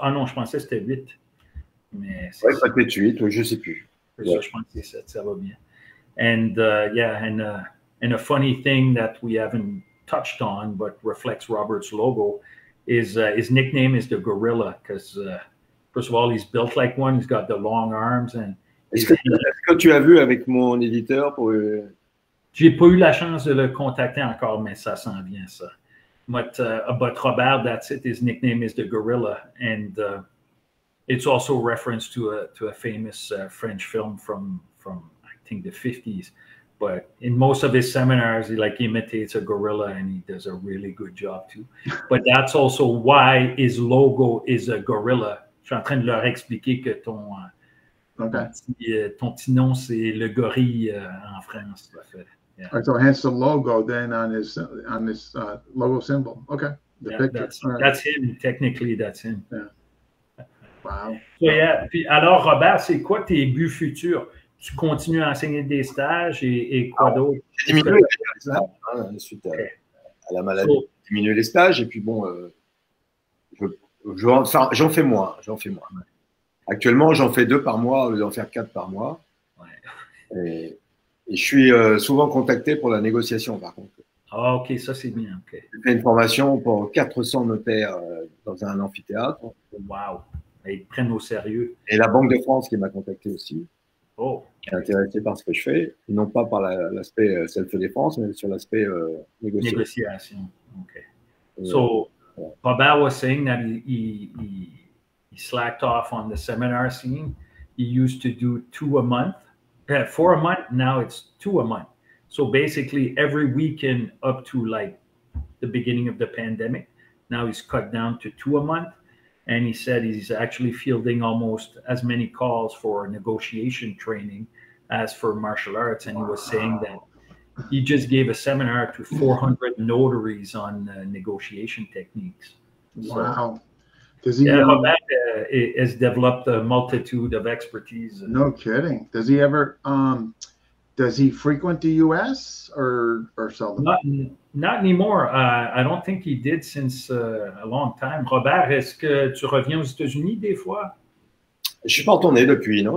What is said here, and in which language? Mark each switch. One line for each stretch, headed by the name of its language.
French: Ah non, je pensais que c'était 8. Mais c'est ouais, ça peut être 8, je sais plus.
English: Yeah.
French: Ça, je pense que c'est 7, ça va bien.
English: And and a funny thing that we haven't touched on, but reflects Robert's logo, is his nickname is the Gorilla, because first of all, he's built like one, he's got the long arms. And
French: Est-ce que tu as vu avec mon éditeur pour... J'ai pas eu la chance de le contacter encore, mais ça s'en vient, ça.
English: But Robert, that's it. His nickname is the Gorilla, and it's also a reference to a famous French film from I think the 50s. But in most of his seminars, he like imitates a gorilla, and he does a really good job too. But that's also why his logo is a gorilla.
French: Je suis en train de leur expliquer que ton petit nom c'est le gorille en France, tout à fait.
English: Yeah. All right, so hence the logo then on his logo symbol. Okay. The picture. That's him. Technically, that's him. Yeah. Wow. So, yeah.
French: Puis, alors, Robert, c'est quoi tes buts futurs? Tu continues à enseigner des stages et quoi d'autre? J'ai diminué les stages, hein, suite à la maladie. J'ai diminué les stages et puis bon, j'en fais moins. J'en fais moins. Ouais. Actuellement, j'en fais 2 par mois, au lieu d'en faire 4 par mois. Ouais. Et je suis souvent contacté pour la négociation, par contre. Ah, OK, ça, c'est bien. Okay. J'ai fait une formation pour 400 notaires dans un amphithéâtre. Wow, ils prennent au sérieux. Et la Banque de France qui m'a contacté aussi. Oh. Qui est intéressée par ce que je fais, non pas par l'aspect self-défense, mais sur l'aspect négociation. OK.
English: So, Robert was saying that he slacked off on the seminar scene. He used to do 2 a month. For a month, now it's 2 a month. So basically, every weekend up to like the beginning of the pandemic, now he's cut down to 2 a month. And he said he's actually fielding almost as many calls for negotiation training as for martial arts. And he was saying that he just gave a seminar to 400 notaries on negotiation techniques. Wow. Does he has developed a multitude of expertise. No kidding. Does he ever, does he frequent the U.S. or seldom? Not anymore. I don't think he did since a long time.
French: Robert, est-ce que tu reviens aux États-Unis des fois? Je ne suis pas retourné depuis, non.